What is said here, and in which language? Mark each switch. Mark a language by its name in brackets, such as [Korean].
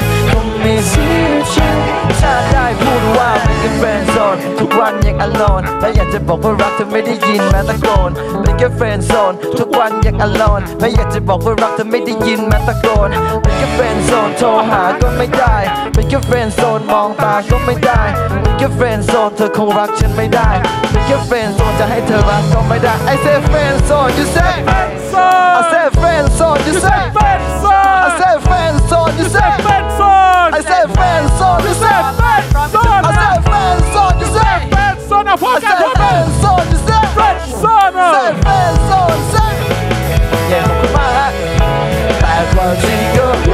[Thai] คงไม่เสียใจถ้าได้พูดว่าเป็นแค่แฟนโซนทุกวันยังอโลนและอยากจะบอกว่ารักเธอไม่ได้ยินแม้ตะโกนเป็นแค่แฟนโซนทุกวันยังอโลนและอยากจะบอกว่ารักเธอไม่ได้ยินแม้ตะโกนเป็นแค่แฟนโซนโทรหาก็ไม่ได้เป็นแค่แฟนโซนมองตาก็ไม่ได้เป็นแค่แฟนโซนเธอคงรักฉันไม่ได้เป็นแค่แฟนโซนจะให้เธอรักก็ไม่ได้ [English] I say friend zone you say friend zone I say friend zone you say friend zone I say friend zone you say friend zone I say friend zone you say friend zone I say friend zone you say friend zone I say friend zone you say friend zone I say friend zone you say yeah [Thai] ขอบคุณมากฮะแต่ก็จริงก็